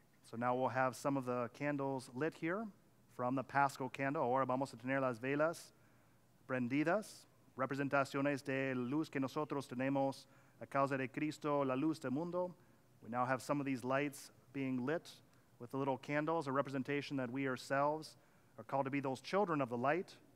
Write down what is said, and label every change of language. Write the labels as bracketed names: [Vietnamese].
[English] So now we'll have some of the candles lit here from the Paschal candle. [Spanish] Ahora vamos a tener las velas prendidas, representaciones de luz que nosotros tenemos a causa de Cristo, la luz del mundo. [English] We now have some of these lights being lit with the little candles, a representation that we ourselves are called to be those children of the light.